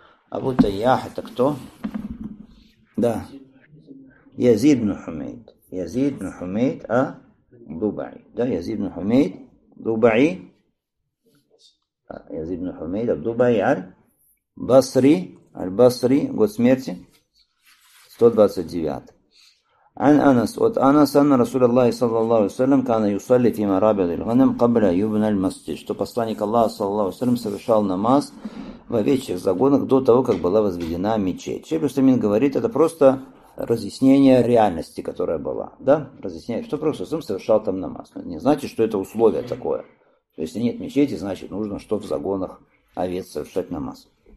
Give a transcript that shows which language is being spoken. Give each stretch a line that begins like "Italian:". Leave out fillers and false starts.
Russian: Абу Тайях, это кто? Да. Язид ибн Хумейд. Язид ибн Хумейд, а? Дубаи. Да, Язид ибн Хумейд, Дубаи. Язид ибн Хумейд, Абдубаи, аль-Басри. Аль-Басри, год смерти. 129.
Arabic: عن أنس
Russian: от
Arabic: أنس أن رسول الله صلى الله عليه وسلم كان يصلي في مرابض الغنم قبل يبنى المسجد.
Russian: Что посланник Аллаха
Arabic: صلى الله عليه وسلم
Russian: совершал намаз в овечьих загонах до того, как была возведена мечеть. Шейх Усаймин говорит, это просто разъяснение реальности, которая была. Да? Разъяснение, что просто сам совершал там намаз. Не значит, что это условие такое. То есть, если нет мечети, значит, нужно, что в загонах овец совершать намаз.